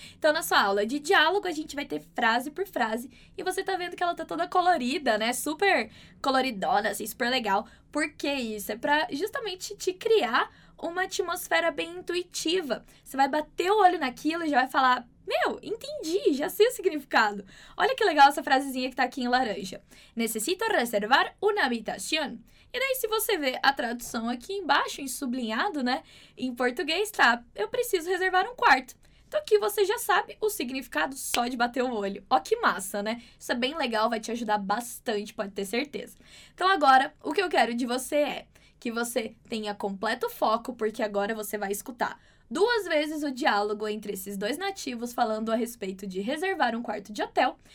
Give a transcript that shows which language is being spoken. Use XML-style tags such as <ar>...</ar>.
<pt>Então, na sua aula de diálogo, a gente vai ter frase por frase e você tá vendo que ela tá toda colorida, né? Super coloridona, assim, super legal. Por que isso? É pra justamente te criar uma atmosfera bem intuitiva. Você vai bater o olho naquilo e já vai falar: meu, entendi, já sei o significado. Olha que legal essa frasezinha que tá aqui em laranja.</pt> <es>Necesito reservar una habitación.</es> <pt>E daí, se você ver a tradução aqui embaixo, em sublinhado, né? Em português, tá? Eu preciso reservar um quarto. Então, aqui você já sabe o significado só de bater o olho. Ó, que massa, né? Isso é bem legal, vai te ajudar bastante, pode ter certeza. Então, agora, o que eu quero de você é que você tenha completo foco, porque agora você vai escutar duas vezes o diálogo entre esses dois nativos falando a respeito de reservar um quarto de hotel.</pt>